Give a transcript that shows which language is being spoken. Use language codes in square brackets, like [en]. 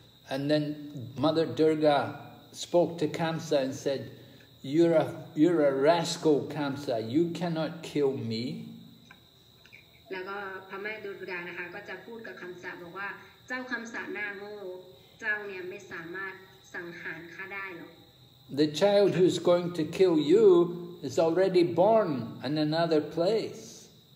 [en] And then Mother Durga spoke to Kamsa and said,You're a rascal, Kamsa. You cannot kill me. [th] แล้วก็พระแม่ดุรกานะคะก็จะพูดกับคำสาบอกว่าเจ้าคำสาหน้าโง่เจ้าเนี่ยไม่สามารถสังหารข้าได้หรอก [en] The child who's going to kill you is already born in another place.